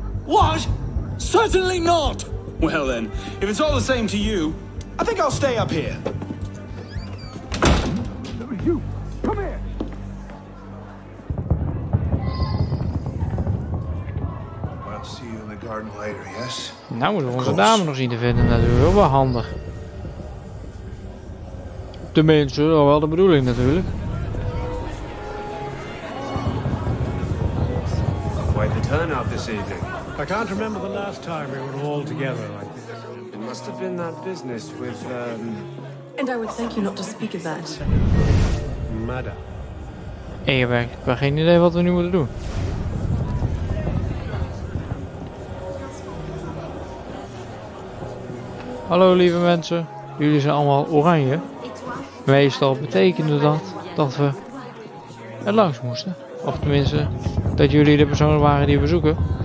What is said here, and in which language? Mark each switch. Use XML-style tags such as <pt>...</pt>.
<en>What? Certainly not! Well then, if it's all the same to you... I think I'll stay up here. You, come here. I'll see you in the garden later, yes?</en> <nl>Nou moeten we onze dame nog zien te vinden, natuurlijk. Wel handig. Tenminste, wel de bedoeling natuurlijk.</nl> <en>Quite the turnout this evening. I can't remember the last time we were all together like this. Must have been that business with, And I would thank you not to speak of that. Madame.</en> <nl>Hey, ik heb geen idee wat we nu moeten doen. Hallo lieve mensen. Jullie zijn allemaal oranje. Meestal betekende dat we er langs moesten. Of tenminste, dat jullie de personen waren die we zoeken.</nl>